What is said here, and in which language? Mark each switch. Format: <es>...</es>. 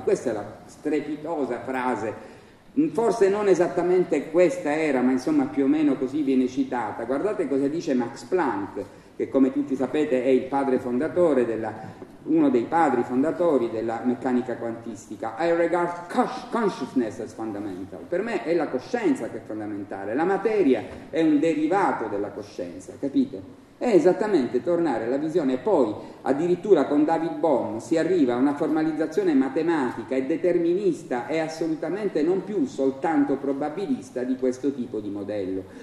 <it>Questa è la strepitosa frase, forse non esattamente questa era, ma insomma più o meno così viene citata. Guardate cosa dice Max Planck, che come tutti sapete è il padre fondatore della, uno dei padri fondatori della meccanica quantistica.</it> <en>I regard consciousness as fundamental.</en> <it>Per me è la coscienza che è fondamentale, la materia è un derivato della coscienza, capite? È esattamente tornare alla visione. Poi addirittura con David Bohm si arriva a una formalizzazione matematica e determinista e assolutamente non più soltanto probabilista di questo tipo di modello.</it>